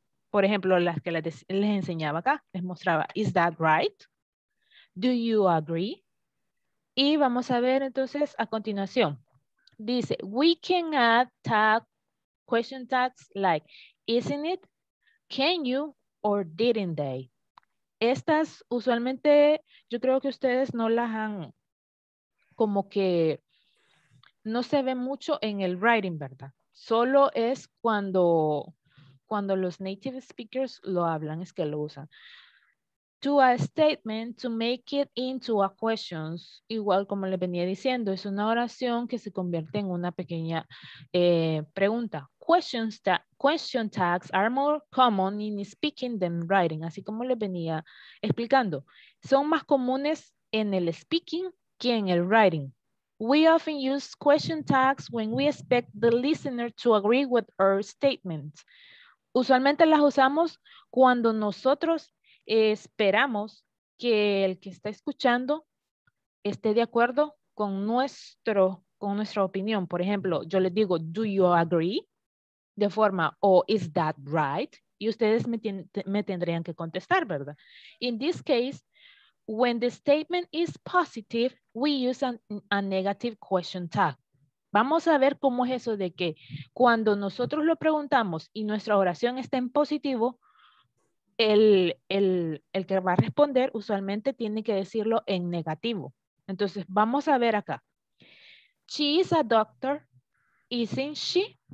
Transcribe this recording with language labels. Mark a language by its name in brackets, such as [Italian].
[Spanish] Por ejemplo, las que les enseñaba acá, les mostraba, [English] is that right? Do you agree? [Spanish] Y vamos a ver entonces a continuación. [English] Dice, we can add tag, question tags like, isn't it, can you, or didn't they? [Spanish] Estas usualmente yo creo que ustedes no las han, como que no se ve mucho en el writing, ¿verdad? Solo es cuando los native speakers lo hablan, es que lo usan. [English] to a statement to make it into a question. [Spanish] Igual como le venía diciendo, es una oración que se convierte en una pequeña pregunta. [English] Question tags are more common in speaking than writing, [Spanish] así como les venía explicando. Son más comunes en el speaking que en el writing. [English] We often use question tags when we expect the listener to agree with our statement. [Spanish] Usualmente las usamos cuando nosotros esperamos que el que está escuchando esté de acuerdo con nuestra opinión. Por ejemplo, yo les digo, [English] do you agree? [Spanish] De forma, o [English] is that right? [Spanish] Y ustedes me tendrían que contestar, ¿verdad? [English] In this case, when the statement is positive, we use a negative question tag. [Spanish] Vamos a ver cómo es eso de que cuando nosotros lo preguntamos y nuestra oración está en positivo, el que va a responder usualmente tiene que decirlo en negativo. Entonces, vamos a ver acá. [English] She is a doctor, isn't she?